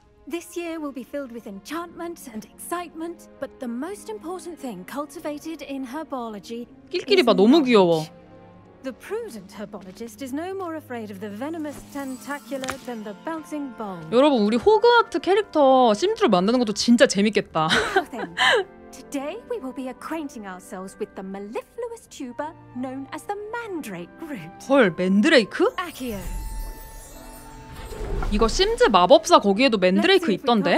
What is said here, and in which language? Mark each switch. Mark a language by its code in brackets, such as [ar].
[en] This year will be filled with enchantment and excitement, but the most important thing cultivated in herbology. [ko] 낄낄이 봐, 너무 귀여워. [en] The prudent herbologist is no more afraid of the venomous tentacular than the bouncing ball. [ko] 여러분, 우리 호그와트 캐릭터 심지어 만드는 것도 진짜 재밌겠다. [en] Today we will be acquainting ourselves with the mellifluous tuber known as the mandrake root. [ko] 헐, 맨드레이크? 이거 심즈 마법사 거기에도 맨드레이크 있던데?